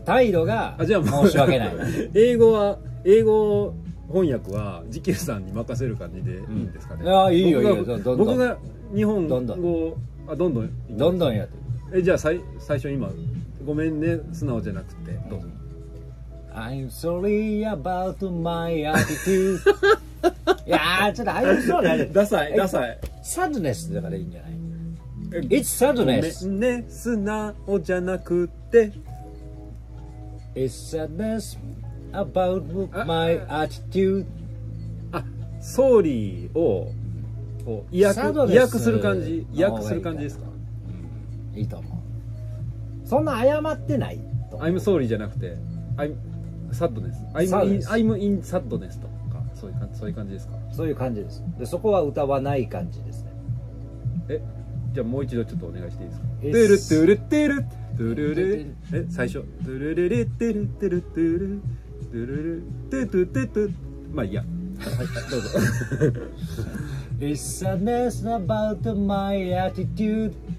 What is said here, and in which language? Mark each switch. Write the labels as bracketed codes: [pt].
[ja] 態度が申し訳ない、ね、英語は、英語翻訳はジキルさんに任せる感じでいいんですかね、うん、いや、いいよいいよ、どんどん、僕が日本語、どんどん、あ、どんどんどんどんやってる。じゃあ最初今、ごめんね、素直じゃなくて、どうぞ。 [en] I'm sorry about my attitude。 [ja] いやー、ちょっと [en] I'm sorry [ja] ダサい、ダサい、サドネスだからいいんじゃない。 [en] It's sadness。 [ja] ね、素直じゃなくて、 [en] It's sadness about my attitude。 [ja] あ、ソーリーを訳する感じ、訳する感じですか。いいと思う。そんな謝ってない。 [en] I'm sorry [ja] じゃなくて、 [en] I'm sadness、 I'm in sadness [ja] とか、そういう感じですか。そういう感じです。で、そこは歌わない感じですね。え、じゃあもう一度ちょっとお願いしていいですか。トゥルトゥルトゥルトゥルル、え、最初トゥルルルトゥルトゥルトゥルトゥルルトゥトゥトゥトゥ、まあいいや、はい、どうぞ。 [en] It's sadness about my attitude、